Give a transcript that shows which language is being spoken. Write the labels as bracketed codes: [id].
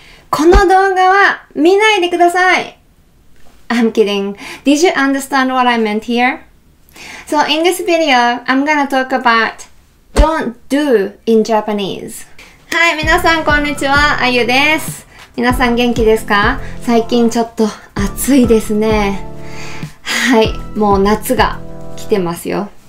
[ja] この動画は見ないでください。 [en] I'm kidding. Did you understand what I meant here? So in this video, I'm gonna talk about don't do in Japanese. [ja] はい、皆さんこんにちは、あゆです。皆さん元気ですか？最近ちょっと暑いですね。はい、もう夏が来てますよ。